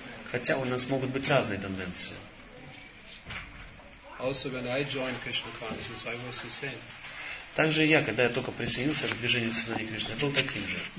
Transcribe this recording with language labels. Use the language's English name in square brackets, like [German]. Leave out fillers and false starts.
[Russian] Хотя у нас могут быть разные тенденции. [English] Also, when I joined Krishna consciousness, I was the same. [Russian] Также я, когда я только присоединился к движению сознания Кришны, был таким же.